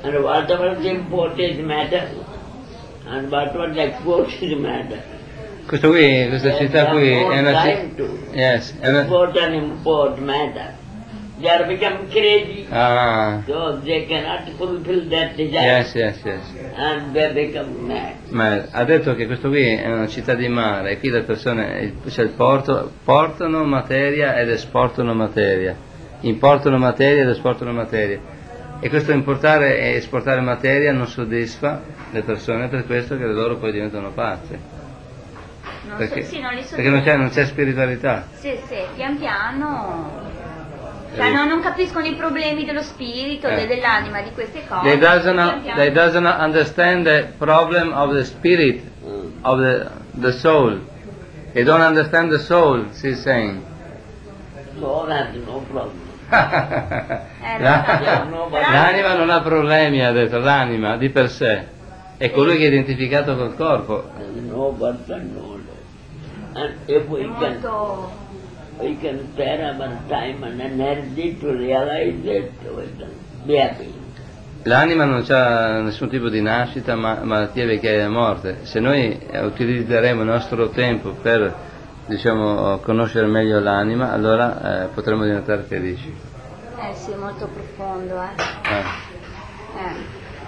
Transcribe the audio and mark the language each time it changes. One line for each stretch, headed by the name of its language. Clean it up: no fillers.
English: And whatever the import is matter, and whatever the export is matter.
Italian: Questa città qui è una città...
English: Yes. Import and import matter. They are become crazy, so they cannot fulfill that desire. Yes, yes, yes. And they become mad.
Italian: Ma ha detto che questo qui è una città di mare, e qui le persone, cioè il porto, portano materia ed esportano materia. Importano materia ed esportano materia. E questo importare e esportare materia non soddisfa le persone, per questo che loro poi diventano pazze. Perché non c'è spiritualità. Sì, sì, pian piano... Cioè, non capiscono i problemi dello spirito, dell'anima, di queste cose.
English: They doesn't understand the problem of the spirit, of the soul. They don't understand the soul, she's saying. Soul has no problem.
Italian: L'anima non ha problemi, ha detto, l'anima, di per sé. È colui che è identificato col corpo.
English: No, but no. We can spare our time and energy to realize that we are being.
Italian: L'anima non ha nessun tipo di nascita, malattia, vecchiaia e morte. Se noi utilizzeremo il nostro tempo per, diciamo, conoscere meglio l'anima, allora potremo diventare felici. Sì, è molto profondo, eh.